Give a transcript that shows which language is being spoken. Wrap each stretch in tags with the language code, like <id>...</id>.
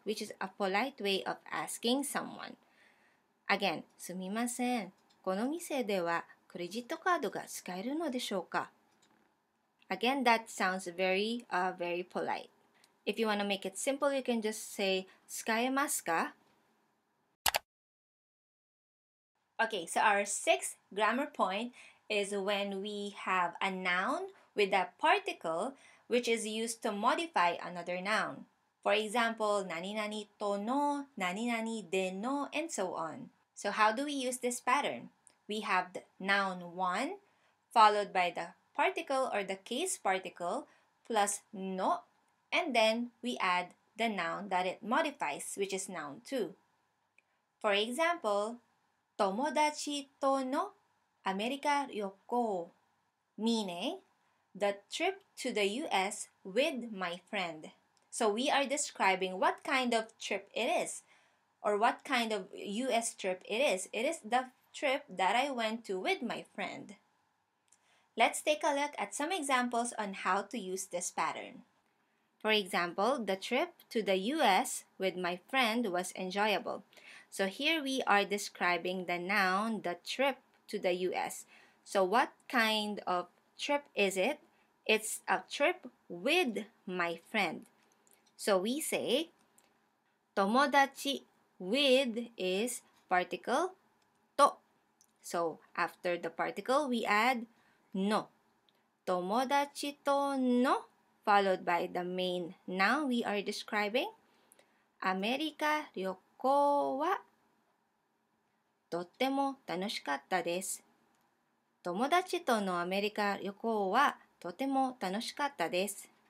<en>Which is a polite way of asking someone. Again,</en> <ja>すみません。この店ではクレジットカードが使えるのでしょうか?</ja> <en>Again, that sounds very, very polite. If you want to make it simple, you can just say,</en> <ja>使えますか?</ja> <en>Okay, so our sixth grammar point is when we have a noun with a particle which is used to modify another noun. For example, 何々との、何々での、and so on. So how do we use this pattern? We have the noun 1 followed by the particle or the case particle plus no and then we add the noun that it modifies which is noun 2. For example,</en> <ja>友達とのアメリカ旅行</ja> <en>meaning the trip to the US with my friend. So we are describing what kind of trip it is. Or what kind of U.S. trip it is. It is the trip that I went to with my friend. Let's take a look at some examples on how to use this pattern. For example, the trip to the U.S. with my friend was enjoyable. So here we are describing the noun, the trip to the U.S. So what kind of trip is it? It's a trip with my friend. So we say,</en> <ja>友達</ja> <en>With is particle と. So after the particle, we add</en> <ja>の. 友達との</ja> <en>followed by the main noun we are describing.</en> <ja>アメリカ旅行はとっても楽しかったです。友達とのアメリカ旅行はとても楽しかったです。</ja>